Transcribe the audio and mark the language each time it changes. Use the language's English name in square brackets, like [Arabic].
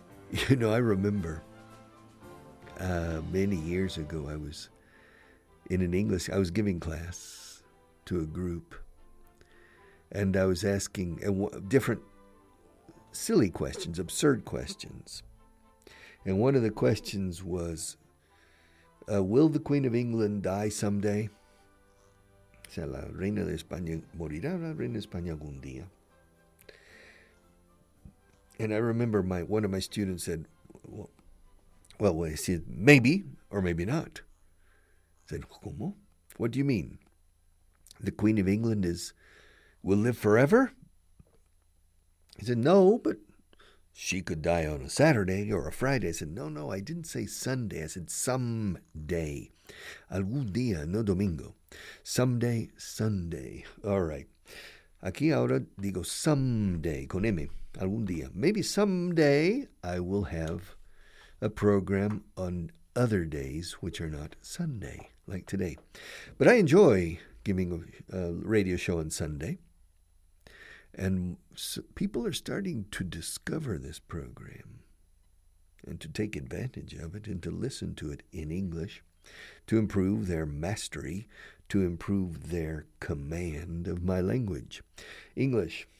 [English] You know, I remember many years ago I was in an English, I was giving class to a group. And I was asking different silly questions, absurd questions. And one of the questions was, will the Queen of England die someday? [Spanish] O sea, la Reina de España, ¿morirá la Reina de España algún día? [English] And I remember one of my students said, well, he said, maybe or maybe not. I said, ¿cómo? What do you mean? The Queen of England is... will live forever? He said, no, but she could die on a Saturday or a Friday. I said, no, I didn't say Sunday. I said, someday. Algún día, no domingo. Someday, Sunday. All right. [Spanish] Aquí ahora digo someday, con M, algún día. [English] Maybe someday I will have a program on other days which are not Sunday, like today. But I enjoy giving a radio show on Sunday. And so people are starting to discover this program and to take advantage of it and to listen to it in English to improve their mastery, to improve their command of my language, English.